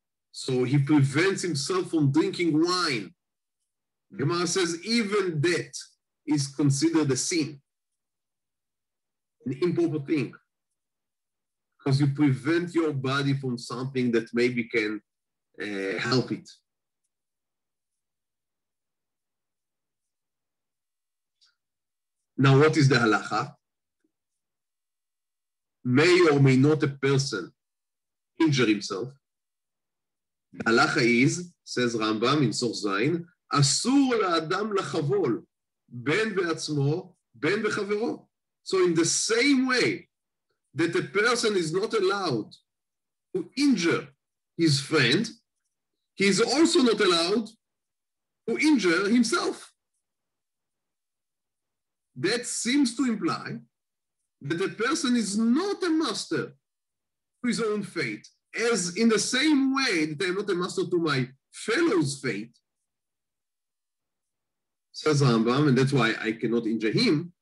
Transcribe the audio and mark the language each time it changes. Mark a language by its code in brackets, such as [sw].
[en] So he prevents himself from drinking wine. Gemara says even that is considered a sin, an improper thing, because you prevent your body from something that maybe can help it. Now, what is the halacha? May or may not a person injure himself? The halacha is, says Rambam in Sof Zayin, [he] אסור לאדם לחבול בין בעצמו, בין בחברו. [en] So in the same way that a person is not allowed to injure his friend, he is also not allowed to injure himself. That seems to imply that a person is not a master to his own fate, as in the same way that I am not a master to my fellow's fate, says Rambam, and that's why I cannot injure him.